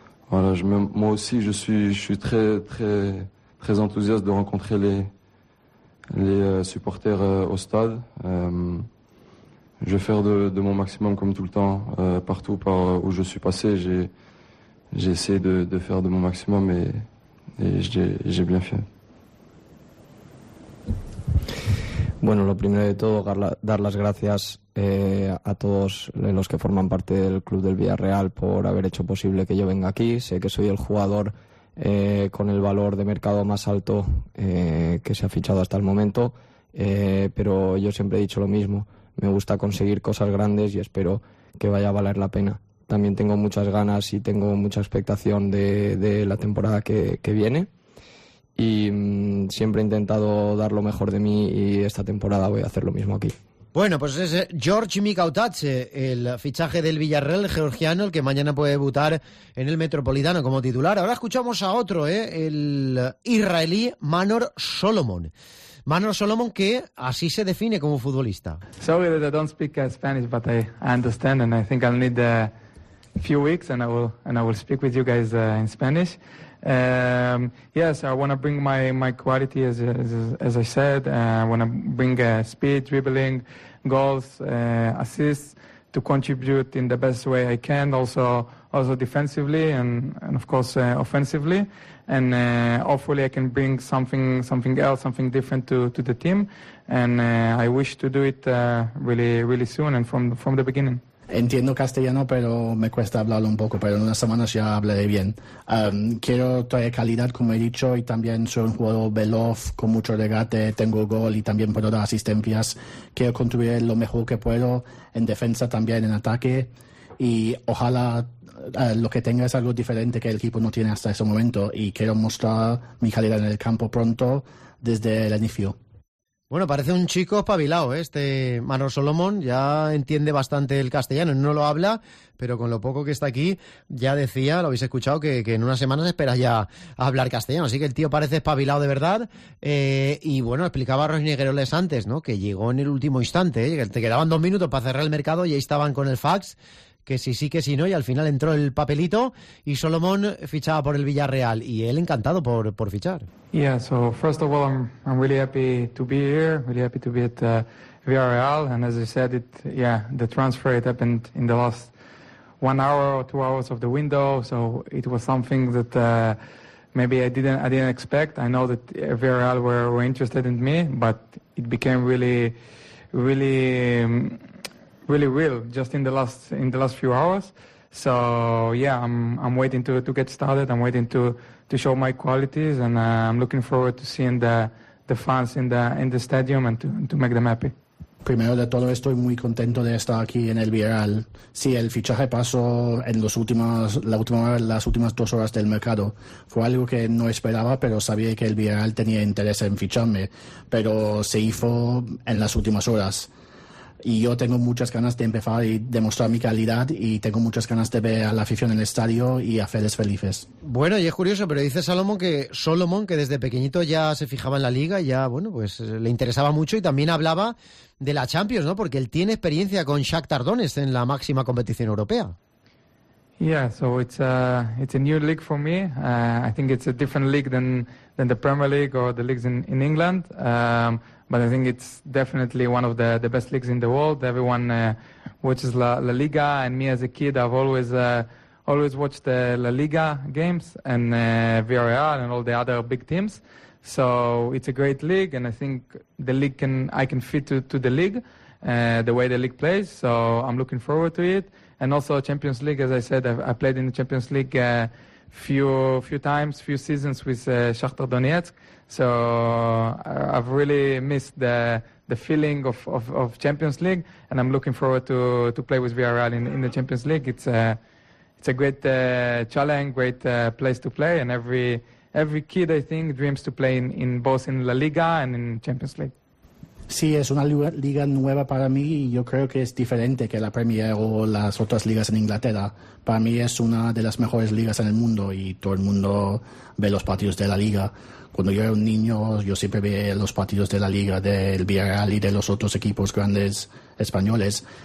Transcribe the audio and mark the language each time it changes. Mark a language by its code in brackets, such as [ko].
[fr] Voilà, je suis très très très enthousiaste de rencontrer les supporters au stade. Je vais faire de mon maximum comme tout le temps, partout par où je suis passé. J'ai essayé de faire de mon maximum et j'ai bien fait. [es] Bueno, lo primero de todo, dar las gracias a todos los que forman parte del club del Villarreal por haber hecho posible que yo venga aquí. Sé que soy el jugador con el valor de mercado más alto que se ha fichado hasta el momento, pero yo siempre he dicho lo mismo. Me gusta conseguir cosas grandes y espero que vaya a valer la pena. También tengo muchas ganas y tengo mucha expectación de la temporada que viene. Y siempre he intentado dar lo mejor de mí y esta temporada voy a hacer lo mismo aquí. Bueno, pues es George Mikel Tache, el fichaje del Villarreal georgiano, el que mañana puede debutar en el Metropolitano como titular. Ahora escuchamos a otro, el israelí Manor Solomon. Manor Solomon, que así se define como futbolista. [en] Sorry that I don't speak Spanish, but I understand and I think I'll need a few weeks and I will speak with you guys in Spanish. Yes, I want to bring my quality, as I said. I want to bring speed, dribbling, goals, assists, to contribute in the best way I can, also defensively and of course offensively, and hopefully I can bring something else, something different to the team, and I wish to do it really really soon and from the beginning. [es] Entiendo castellano, pero me cuesta hablarlo un poco, pero en unas semanas ya hablaré bien. Quiero traer calidad, como he dicho, y también soy un jugador veloz, con mucho regate, tengo gol y también puedo dar asistencias. Quiero contribuir lo mejor que puedo en defensa, también en ataque, y ojalá lo que tenga es algo diferente que el equipo no tiene hasta ese momento, y quiero mostrar mi calidad en el campo pronto, desde el inicio. Bueno, parece un chico espabilado, ¿eh? Este Manor Solomon ya entiende bastante el castellano, no lo habla, pero con lo poco que está aquí, ya decía, lo habéis escuchado, que en unas semanas espera ya a hablar castellano, así que el tío parece espabilado de verdad, y bueno, explicaba a Rosinegroles antes, ¿no?, que llegó en el último instante, que te quedaban 2 minutos para cerrar el mercado y ahí estaban con el fax, que sí, sí, que sí, no, y al final entró el papelito y Solomon fichaba por el Villarreal y él encantado por fichar. [en] Yeah, so first of all, I'm really happy to be here, really happy to be at Villarreal, and as I said, the transfer, it happened in the last 1 hour or 2 hours of the window, so it was something that maybe I didn't expect. I know that Villarreal were interested in me, but it became really, really really real just in the last few hours. So yeah, I'm waiting to get started. I'm waiting to show my qualities, and I'm looking forward to seeing the fans in the stadium and to make them happy. [es] Primero de todo, estoy muy contento de estar aquí en el Villarreal. Sí, el fichaje pasó en las últimas 2 horas del mercado. Fue algo que no esperaba, pero sabía que el Villarreal tenía interés en ficharme, pero se hizo en las últimas horas. Y yo tengo muchas ganas de empezar y demostrar mi calidad, y tengo muchas ganas de ver a la afición en el estadio y hacerles felices. Bueno, y es curioso, pero dice Solomon que desde pequeñito ya se fijaba en la liga, ya, bueno, pues le interesaba mucho, y también hablaba de la Champions, ¿no? Porque él tiene experiencia con Shakhtar Donetsk en la máxima competición europea. [en] Yeah, so it's a new league for me. I think it's a different league than the Premier League or the leagues in England. But I think it's definitely one of the best leagues in the world. Everyone watches La Liga, and me as a kid, I've always watched the La Liga games and Villarreal and all the other big teams. So it's a great league, and I think the league I can fit to the league, the way the league plays. So I'm looking forward to it. And also Champions League, as I said, I played in the Champions League few seasons with Shakhtar Donetsk. So I've really missed the feeling of Champions League, and I'm looking forward to play with Villarreal in the Champions League. It's a great challenge, great place to play, and every kid, I think, dreams to play in both in La Liga and in Champions League. [es] Sí, es una liga nueva para mí y yo creo que es diferente que la Premier o las otras ligas en Inglaterra. Para mí es una de las mejores ligas en el mundo y todo el mundo ve los partidos de la liga. Cuando yo era un niño, yo siempre veía los partidos de la liga del Villarreal y de los otros equipos grandes españoles.